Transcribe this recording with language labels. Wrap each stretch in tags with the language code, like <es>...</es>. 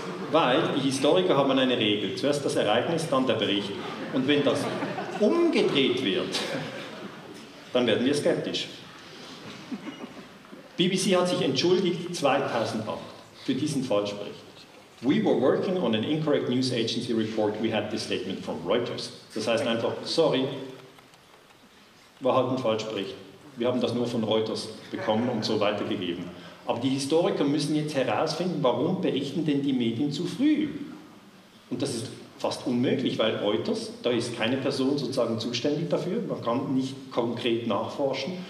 <de>Weil die Historiker haben eine Regel, zuerst das Ereignis, dann der Bericht. Und wenn das umgedreht wird, dann werden wir skeptisch. BBC hat sich entschuldigt 2008 für diesen Falschbericht.</de> <en>We were working on an incorrect news agency report, we had this statement from Reuters.</en> <de>Das heißt einfach, sorry, war halt ein Falschbericht. Wir haben das nur von Reuters bekommen und so weitergegeben. Aber die Historiker müssen jetzt herausfinden, warum berichten denn die Medien zu früh? Und das ist fast unmöglich, weil Reuters, da ist keine Person sozusagen zuständig dafür, man kann nicht konkret nachforschen.</de>